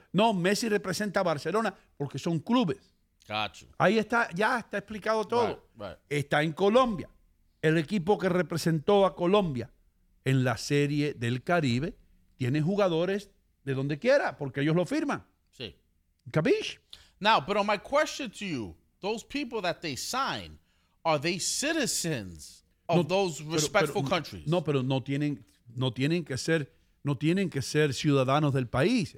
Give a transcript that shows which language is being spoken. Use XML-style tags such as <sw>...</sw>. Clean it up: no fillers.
<es>No, Messi representa a Barcelona porque son clubes. Cacho. Ahí está, ya está explicado todo.</es> <en>Right.</en> <es>Está en Colombia. El equipo que representó a Colombia en la Serie del Caribe tiene jugadores de donde quiera porque ellos lo firman. Sí. ¿Capish?</es> <en>Now, but on my question to you, those people that they sign, are they citizens? Of those respectful countries.</en> <es>No, pero no tienen que ser ciudadanos del país.</es>